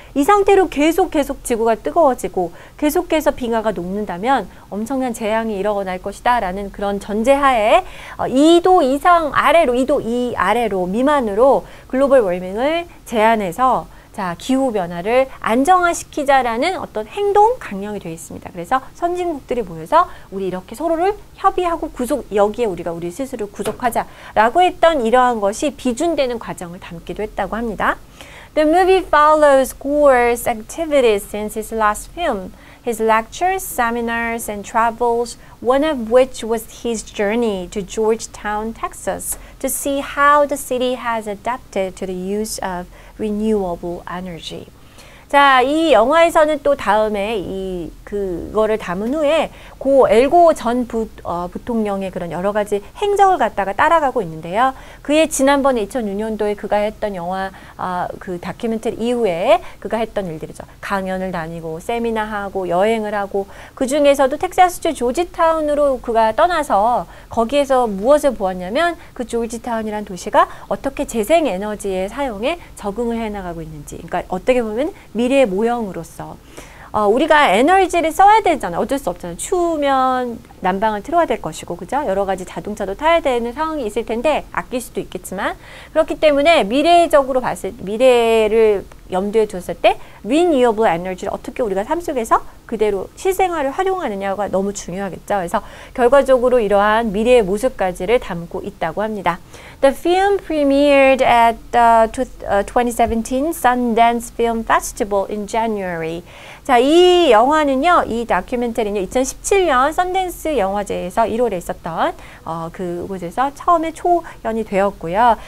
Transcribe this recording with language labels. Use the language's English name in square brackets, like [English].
[Korean] 이 상태로 계속 지구가 뜨거워지고 계속해서 빙하가 녹는다면 엄청난 재앙이 일어날 것이다 라는 그런 전제하에 2도 이상 아래로, 2도 이 아래로 미만으로 글로벌 워밍을 제한해서 자, 기후변화를 안정화시키자라는 어떤 행동 강령이 되어 있습니다. 그래서 선진국들이 모여서 우리 이렇게 서로를 협의하고 구속, 여기에 우리가 우리 스스로 구속하자라고 했던 이러한 것이 비준되는 과정을 담기도 했다고 합니다. [English] The movie follows Gore's activities since his last film. His lectures, seminars, and travels, one of which was his journey to Georgetown, Texas, to see how the city has adapted to the use of renewable energy. [Korean] 자, 이 영화에서는 또 다음에 이 그거를 담은 후에 고 엘고 전 부통령의 그런 여러 가지 행적을 갖다가 따라가고 있는데요. 그의 지난번에 2006년도에 그가 했던 영화 그 다큐멘터리 이후에 그가 했던 일들이죠. 강연을 다니고 세미나하고 여행을 하고 그 중에서도 텍사스주 조지타운으로 그가 떠나서 거기에서 무엇을 보았냐면 그 조지타운이란 도시가 어떻게 재생 에너지의 사용에 적응을 해 나가고 있는지. 그러니까 어떻게 보면 미래의 모형으로서 우리가 에너지를 써야 되잖아요. 어쩔 수 없잖아요. 추우면 난방을 틀어야 될 것이고, 그죠? 여러 가지 자동차도 타야 되는 상황이 있을 텐데 아낄 수도 있겠지만, 그렇기 때문에 미래적으로 봤을 미래를 염두에 두었을 때 renewable energy를 어떻게 우리가 삶 속에서 그대로 실생활을 활용하느냐가 너무 중요하겠죠. 그래서 결과적으로 이러한 미래의 모습까지를 담고 있다고 합니다. [English] The film premiered at the 2017 Sundance Film Festival in January. [Korean] 자, 이 영화는요, 이 다큐멘터리는 2017년 Sundance 영화제에서 1월에 있었던 그곳에서 처음에 초연이 되었고요.